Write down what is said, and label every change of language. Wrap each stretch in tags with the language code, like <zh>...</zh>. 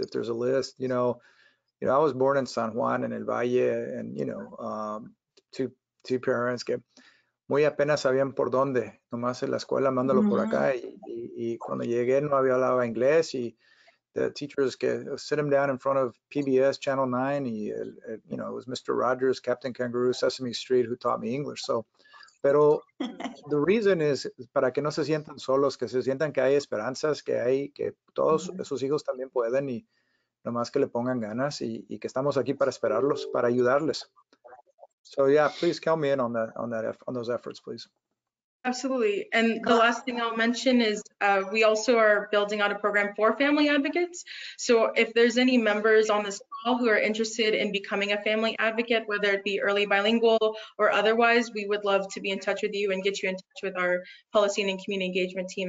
<en>If there's a list, you know, I was born in San Juan and in Valle, and, two parents</en> <es>que muy apenas sabían por dónde, nomás en la escuela, mándalo por acá. Y cuando llegué, no había hablado inglés. Y</es> <en>the teachers que sit him down in front of PBS Channel 9. Y, it was Mr. Rogers, Captain Kangaroo, Sesame Street, who taught me English.</en> <es>So, pero</es> <en>the reason is</en> <es>para que no se sientan solos, que se sientan que hay esperanzas, que hay, que todos sus hijos también pueden, y nomás que le pongan ganas, y que estamos aquí para esperarlos, para ayudarles.</es> <en>So yeah, please count me in on those efforts, please. Absolutely. And the last thing I'll mention is we also are building out a program for family advocates. So if there's any members on this call who are interested in becoming a family advocate, whether it be early bilingual or otherwise, we would love to be in touch with you and get you in touch with our policy and community engagement team.</en>